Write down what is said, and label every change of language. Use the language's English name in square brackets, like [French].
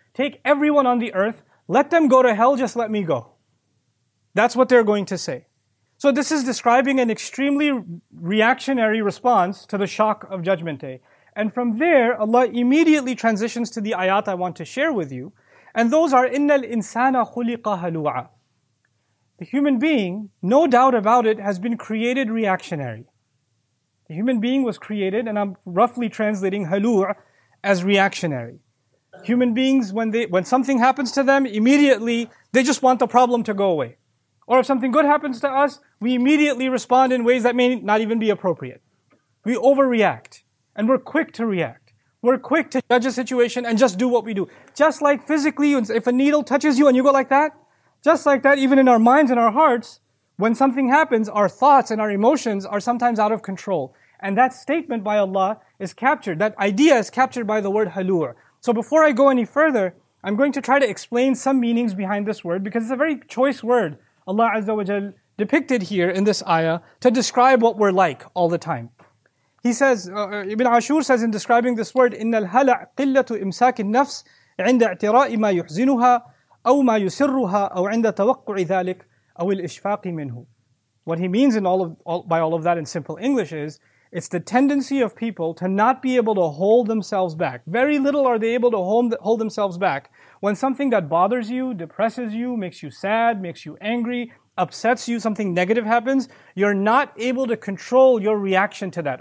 [English] Take everyone on the earth, let them go to hell, just let me go. That's what they're going to say. So this is describing an extremely reactionary response to the shock of Judgment Day. And from there, Allah immediately transitions to the ayat I want to share with you. And those are, [Arabic] إِنَّ الْإِنسَانَ خُلِقَ هَلُوعًا. [English] The human being, no doubt about it, has been created reactionary. The human being was created, and I'm roughly translating halu' as reactionary. Human beings, when something happens to them, immediately they just want the problem to go away. Or if something good happens to us, we immediately respond in ways that may not even be appropriate. We overreact, and we're quick to react. We're quick to judge a situation and just do what we do. Just like physically, if a needle touches you and you go like that, just like that, even in our minds and our hearts, when something happens, our thoughts and our emotions are sometimes out of control. And that statement by Allah is captured, that idea is captured by the word halur. So before I go any further, I'm going to try to explain some meanings behind this word, because it's a very choice word Allah Azza wa Jal depicted here in this ayah to describe what we're like all the time. He says, Ibn Ashur says in describing this word, [Arabic] إِنَّ الْهَلَعْ قِلَّةُ إِمْسَاكِ النَّفْسِ عِنْدَ اَعْتِرَاءِ مَا يُحْزِنُهَا أَوْ مَا يُسِرُّهَا أَوْ عِنْدَ تَوَقُّعِ ذَلِكَ أَوْ الْإِشْفَاقِ مِنْهُ. [English] What he means by all of that in simple English is, it's the tendency of people to not be able to hold themselves back. Very little are they able to hold themselves back when something that bothers you, depresses you, makes you sad, makes you angry, upsets you, something negative happens, you're not able to control your reaction to that.